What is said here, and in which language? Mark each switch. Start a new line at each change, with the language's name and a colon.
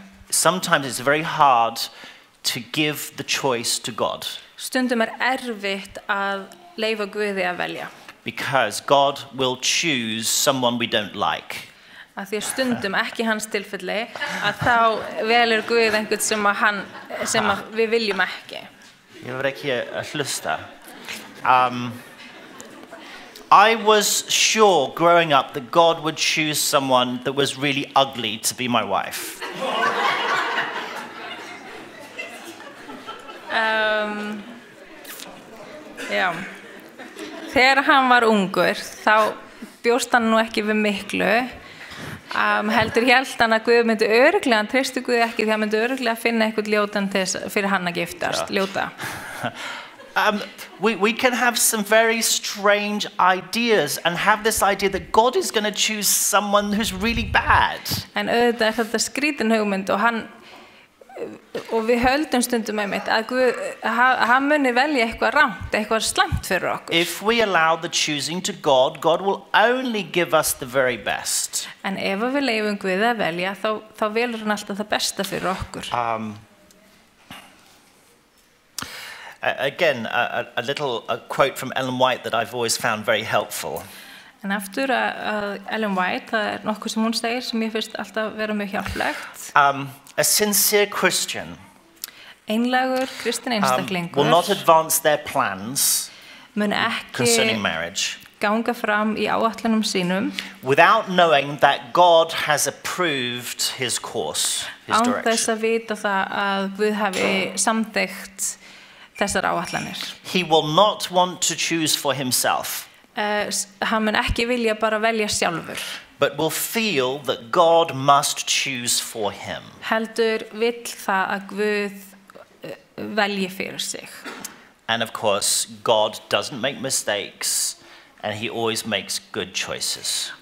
English: Sometimes it's very hard to give the choice to God.
Icelandic: Stundum erfitt að leyfa Guði að velja.
English: Because God will choose someone we don't like.
Icelandic: Af því stundum ekki hans tilfelli að þá velur Guð einhvern sem að hann sem að við viljum ekki. Ég var ekki að hlusta.
English: I was sure growing up that God would choose someone that was really ugly to be my wife.
Icelandic: Já. Þegar hann var ungur, þá bjóst hann nú ekki við miklu Heldur hjælt hann að Guð myndi örugglega, hann treysti Guð ekki því hann myndi örugglega finna eitthvað ljótan þess, fyrir hann að giftast, ljóta.
English: We can have some very strange ideas and have this idea that God is going to choose someone who's really bad.
Icelandic: En auðvitað er þetta skrítin hugmynd og hann og við höldum stundum einmitt að Guð, hann muni velja eitthvað rangt, eitthvað slæmt fyrir okkur.
English: If we allow the choosing to God, God will only give us the very best.
Icelandic: En ef við leyfum Guð að velja, þá velur hann alltaf það besta fyrir okkur.
English: Again, a little a quote from Ellen White that I've always found very helpful.
Icelandic: En aftur að Ellen White, það er nokkuð sem hún segir sem ég finnst alltaf vera mjög hjálplegt.
English: A sincere Christian
Icelandic: einlægur kristinn einstaklingur
English: will not advance their plans concerning marriage
Icelandic: ganga fram í áætlunum sínum
English: without knowing that God has approved his course, his
Icelandic: án þess að vita það að Guð hafi samþykkt þessar áætlanir.
English: He will not want to choose for himself.
Icelandic: Hann mun ekki vilja bara velja sjálfur.
English: But will feel that God must choose for him.
Icelandic: Heldur vill það að Guð velji fyrir sig.
English: And of course, God doesn't make mistakes, and he always makes good choices.